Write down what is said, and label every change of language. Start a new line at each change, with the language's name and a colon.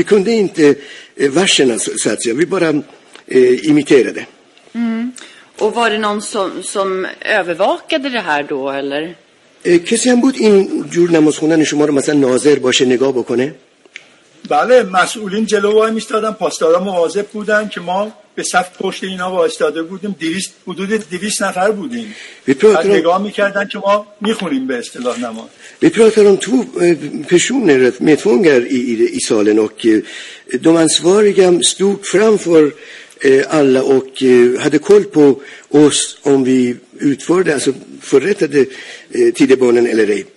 Swedish: Vi kunde inte verserna, så att säga, vi bara imiterade. Och var det någon som övervakade det här då, eller?
Persian: کسی هم بود این جور نمازخوندن شما رو مثلا ناظر باشه، نگاه بکنه؟ بله، مسئولین جلو وای میستادن، پاسدارا مواظب بودن که ما به صف پشت اینا وایستاده بودیم، حدود 200 نفر بودیم. بعد نگاه میکردن که ما میخونیم به اصطلاح نماز.
Swedish: Vi pratar om två personer, med tvångar i salen, och de ansvariga stod framför alla och hade koll på oss om vi utförde, alltså förrättade tidebönen eller ej.